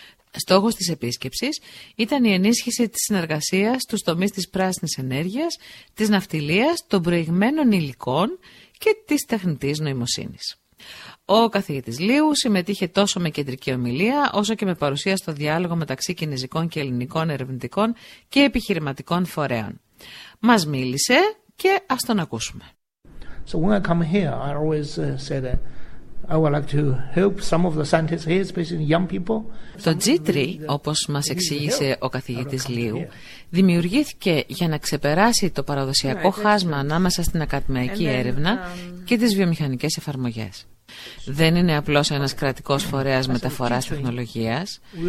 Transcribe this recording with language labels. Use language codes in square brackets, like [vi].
[el] Στόχος της επίσκεψης ήταν η ενίσχυση της συνεργασίας στους τομείς της πράσινης ενέργειας, της ναυτιλίας, των προηγμένων υλικών και της τεχνητής νοημοσύνης. Ο καθηγητής Λίου συμμετείχε τόσο με κεντρική ομιλία, όσο και με παρουσία στο διάλογο μεταξύ κινέζικων και ελληνικών ερευνητικών και επιχειρηματικών φορέων. Μας μίλησε και ας τον ακούσουμε. [en] So when I come here, I always say that I would like to help some of the scientists here, especially young people. [el] Το G3, όπως μας εξήγησε ο καθηγητής Λίου, δημιουργήθηκε για να ξεπεράσει το παραδοσιακό χάσμα ανάμεσα στην ακαδημαϊκή έρευνα και τις βιομηχανικές εφαρμογές. Δεν είναι απλώς ένας κρατικός φορέας μεταφοράς τεχνολογίας.